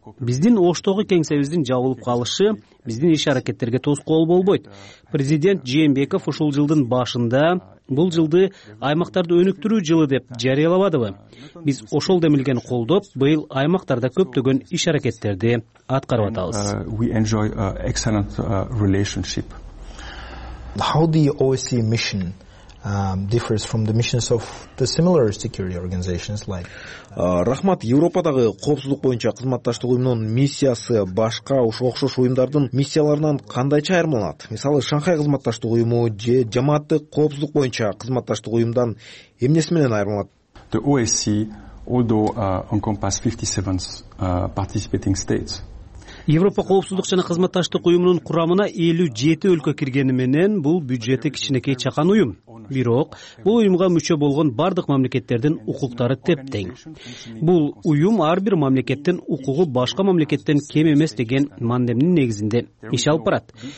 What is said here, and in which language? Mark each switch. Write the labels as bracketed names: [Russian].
[Kyrgyz] Биздин Оштогу кеңсебиздин жабылып калышы биздин иш аракеттерге тоскоол болбойт. Президент Жээнбеков ушул жылдын башында бул жылды аймактарды өнүктүрүү жылы деп жарыялабадыбы? Биз ошол демилгени колдоп, быйыл аймактарда көптөгөн иш аракеттерди аткарып атабыз. [English] We enjoy an excellent relationship. How the OSCE mission differs from the missions of the similar security organizations like [Kyrgyz] рахмат, Европадагы коопсуздук боюнча кызматташтык уюмунун миссиясы башка окшош уюмдардын миссияларынан кандайча айырмаланат? Мисалы, Шанхай кызматташтык уюму же жамааттык коопсуздук боюнча кызматташтык уюмдан эмнеси менен айырмаланат? [English] The OSCE, although encompass 57 participating states, [Kyrgyz] Европа коопсуздук жана кызматташтык уюмунун курамына 57 өлкө киргени менен бул бюджети кичинекей чакан уюм. Бирок бул уюмга мүчө болгон бардык мамлекеттердин укуктары тептең. Бул уюм ар бир мамлекеттин укугу башка мамлекеттен кем эмес деген мандемдин негизинде иш алып барат.